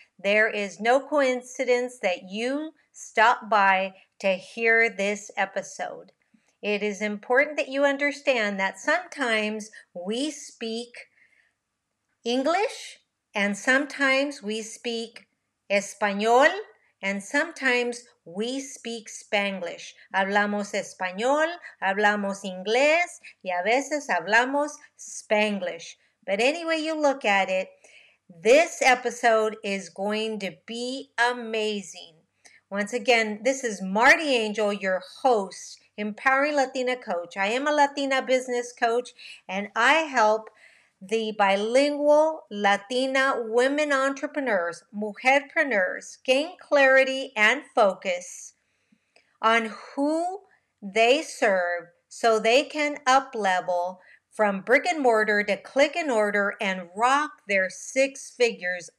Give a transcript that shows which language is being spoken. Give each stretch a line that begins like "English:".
English: There is no coincidence that you stop by to hear this episode. It is important that you understand that sometimes we speak English, and sometimes we speak Español, and sometimes we speak Spanglish.
Spanish: Hablamos Español, hablamos Inglés, y a veces hablamos Spanglish.
English: But any way you look at it, this episode is going to be amazing. Once again, this is Marty Angel, your host, Empowering Latina Coach. I am a Latina business coach, and I help the bilingual Latina women entrepreneurs, mujerpreneurs, gain clarity and focus on who they serve so they can up-level from brick and mortar to click and order and rock their six figures.